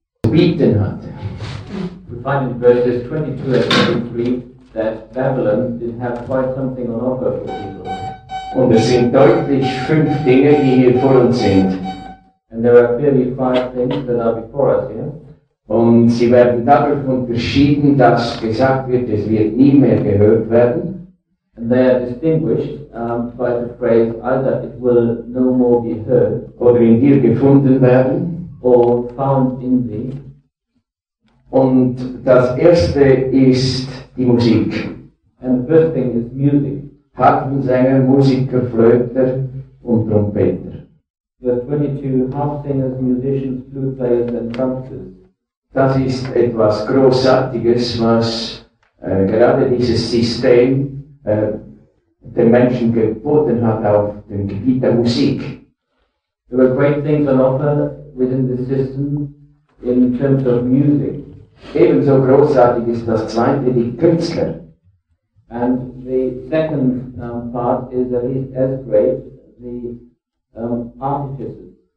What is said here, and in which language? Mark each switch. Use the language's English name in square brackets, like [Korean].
[English] Beaten hut. We find in verses 22 and 23 that Babylon did have quite something on offer for people. [German] Und es sind deutlich fünf Dinge, die hier vor uns sind. [English] And there are clearly five things that are before us here. [German] Und sie werden dadurch unterschieden, dass gesagt wird, es wird nie mehr gehört werden. [English] And they are distinguished by the phrase, either it will no more be heard, [German] oder in dir gefunden werden, [English] or found in thee. [German] Und das erste ist die Musik. [English] And the first thing is music. [German] Harfensänger, Musiker, Flöter und Trompeter. [English] Verse 22, harfensängers, musicians, flute players and trumpeters. [German] Das ist etwas Großartiges, was gerade dieses System den Menschen geboten hat auf dem Gebiet der Musik. [English] There were great things on offer within the system in terms of music. [German] Ebenso großartig ist das zweite, die Künstler. [English] And the second part is at least as great, the artificers.